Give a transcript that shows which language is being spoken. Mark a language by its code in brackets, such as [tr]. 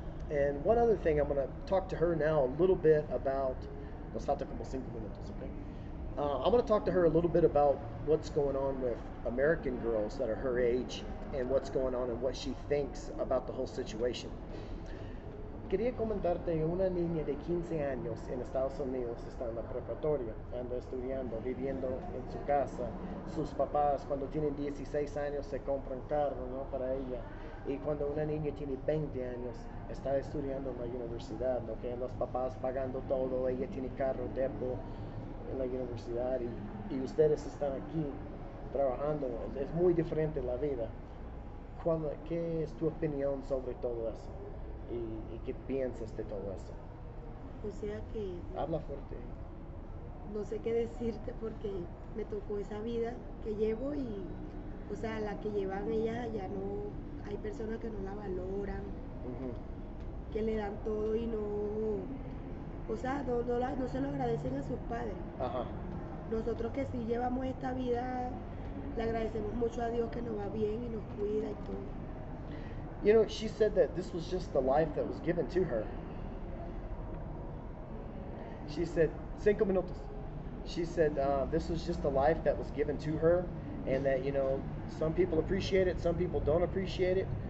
[en] And one other thing, I'm going to talk to her now a little bit about... [es] Nos falta como 5 minutos, [en] okay? I'm going to talk to her a little bit about what's going on with American girls that are her age and what's going on and what she thinks about the whole situation. [es] Quería comentarte, una niña de 15 años en Estados Unidos está en la preparatoria, anda estudiando, viviendo en su casa. Sus papás, cuando tienen 16 años, se compran carro, ¿no?, para ella. Y cuando una niña tiene 20 años, está estudiando en la universidad, ¿no?, que los papás pagando todo, ella tiene carro, depo en la universidad, y ustedes están aquí trabajando. Es muy diferente la vida. ¿Qué es tu opinión sobre todo eso? ¿Y qué piensas de todo eso? O sea que... Habla fuerte. No sé qué decirte porque me tocó esa vida que llevo y... O sea, la que llevan ella ya no... Hay personas que no la valoran, que le dan todo y no... O sea, no se lo agradecen a sus padres. Ajá. Nosotros que sí llevamos esta vida, le agradecemos mucho a Dios que nos va bien y nos cuida y todo. [en] You know, she said that this was just the life that was given to her. She said, [es] 5 minutos. [en] She said, this was just the life that was given to her. And that, some people appreciate it, some people don't appreciate it.